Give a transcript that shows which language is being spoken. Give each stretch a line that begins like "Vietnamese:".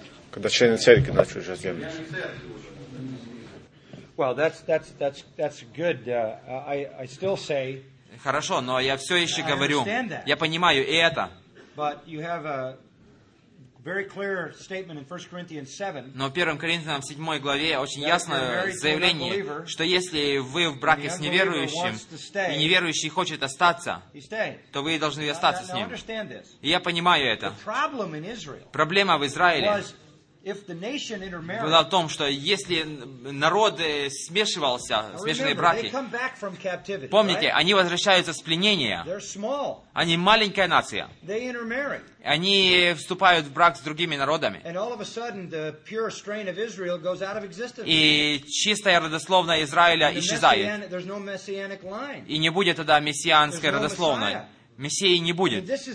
Russian: Когда члены церкви начали уже землю.
English: Well, that's good. I still say.
Russian: Хорошо, но я все еще говорю. Я понимаю и это.
English: But you have a very clear statement in 1 Corinthians 7.
Russian: Но в 1 Коринфянам 7 главе очень ясно заявление, что если вы в браке с неверующим, и неверующий хочет остаться, то вы должны остаться с ним. И я понимаю это. Проблема в Израиле Была в том, что если народ смешивался, смешанные братья, помните, они возвращаются с пленения, они маленькая нация, они вступают в брак с другими народами, и чистая родословная Израиля исчезает, и не будет тогда мессианской родословной. Мессии не будет.